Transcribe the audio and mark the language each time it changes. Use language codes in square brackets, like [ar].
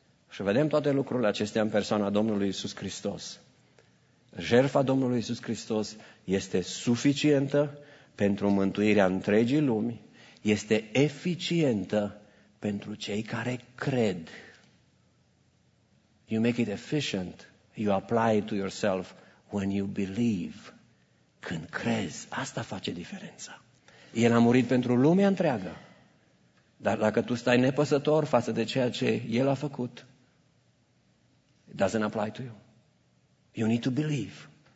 [ro] Și vedem toate lucrurile acestea în persoana Domnului Iisus Hristos. Jertfa Domnului Iisus Hristos este suficientă pentru mântuirea întregii lumi, este eficientă pentru cei care cred. [en] You make it efficient, you apply it to yourself when you believe. [ro] Când crezi, asta face diferența. El a murit pentru lumea întreagă, dar dacă tu stai nepăsător față de ceea ce El a făcut, [en] It doesn't apply to you. You need to believe.